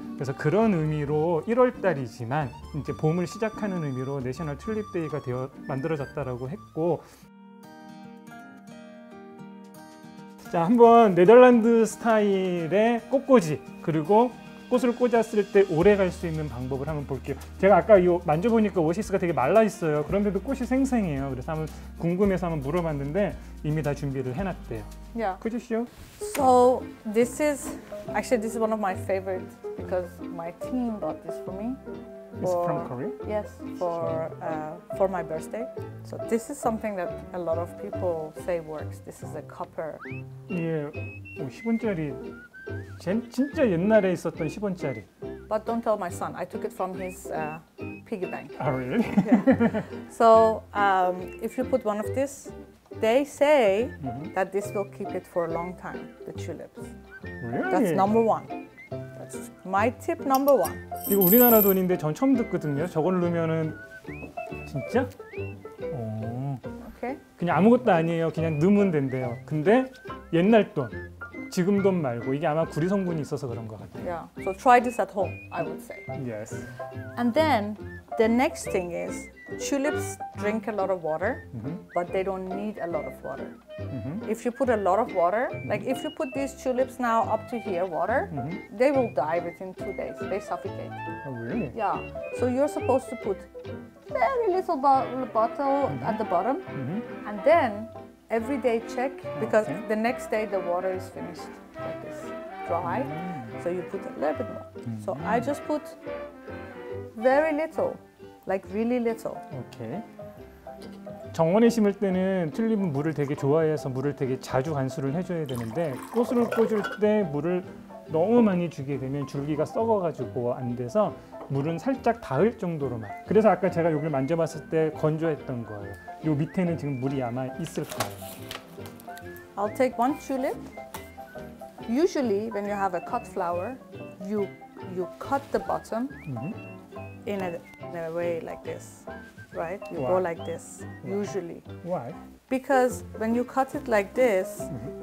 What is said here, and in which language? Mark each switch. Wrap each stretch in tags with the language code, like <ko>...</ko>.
<ko>그래서 그런 의미로 1월달이지만 이제 봄을 시작하는 의미로 내셔널 튤립 데이가 되어 만들어졌다라고 했고 자, 한번 네덜란드 스타일의 꽃꽂이 그리고 꽃을 꽂았을 때 오래 갈 수 있는 방법을 한번 볼게요. 제가 아까 이 만져보니까 오시스가 되게 말라 있어요. 그런데도 꽃이 생생해요. 그래서 한번 궁금해서 한번 물어봤는데 이미 다 준비를 해놨대요. 꽂으시오.</ko> <en>So this is actually this is one of my favorite because my team bought this for me. It's from Korea? Yes, for my birthday. So this is something that a lot of people say works. This is a copper.</en> <ko>예, 10원짜리. 진짜 옛날에 있었던 10원짜리.</ko> <en>But don't tell my son. I took it from his piggy bank. Oh, really? Yeah. So, if you put one of this, they say mm-hmm. that this will keep it for a long time, the tulips. Really? That's number one. That's my tip number one.</en> <ko>이거 우리나라 돈인데 전 처음 듣거든요. 저걸 넣으면은 진짜? 오.</ko> <en>Okay.</en> <ko>그냥 아무것도 아니에요. 그냥 넣으면 된대요. 근데 옛날 돈. 지금 돈 말고 이게 아마 구리 성분이 있어서 그런 것 같아요.</ko> <en>Yeah. So try this at home, I would say. Yes. And then the next thing is tulips drink a lot of water, mm-hmm. but they don't need a lot of water. Mm-hmm. If you put a lot of water, mm-hmm. like if you put these tulips now up to here water, mm-hmm. they will die within 2 days. They suffocate. Oh, really? Yeah. So you're supposed to put very little bottle mm-hmm. at the bottom, mm-hmm. and then every day check because okay. the next day the water is finished like this dry mm. so you put a little bit more mm. so I just put very little like really little</en> <ko>okay 정원에 심을 때는 튤립은 물을 되게 좋아해서 물을 되게 자주 간수를 해줘야 되는데 꽃을 꽂을 때 물을 너무 많이 주게 되면 줄기가 썩어가지고 안 돼서 물은 살짝 닿을 정도로만 그래서 아까 제가 여기를 만져봤을 때 건조했던 거예요 요 밑에는 지금 물이 아마 있을 거예요</ko> <en>I'll take one tulip Usually when you have a cut flower you cut the bottom mm-hmm. in a way like this right? you Why? Go like this usually Why? Because when you cut it like this mm-hmm.</en>